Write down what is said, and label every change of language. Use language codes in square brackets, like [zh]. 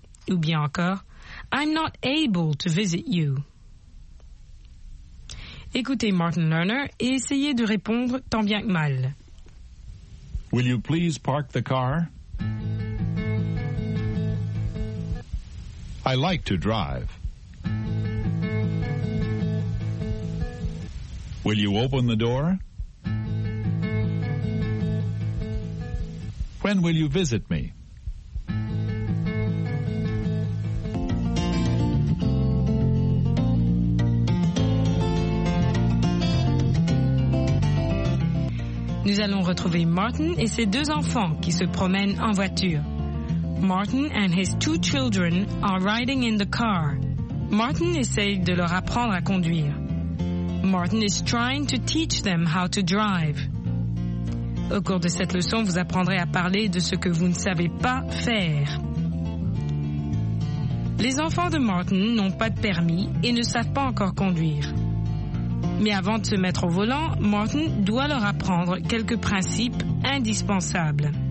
[fr] Ou bien encore, [en] I'm not able to visit you. [fr] Écoutez Martin Lerner et essayez de répondre tant bien que mal. [en] Will you please park the car? I like to drive. Will you open the door? When will you visit me? [fr] Nous allons retrouver Martin et ses deux enfants qui se promènent en voiture. [en] Martin and his two children are riding in the car. [fr] Martin essaye de leur apprendre à conduire. [en] Martin is trying to teach them how to drive. [fr] Au cours de cette leçon, vous apprendrez à parler de ce que vous ne savez pas faire. Les enfants de Martin n'ont pas de permis et ne savent pas encore conduire. Mais avant de se mettre au volant, Martin doit leur apprendre quelques principes indispensables.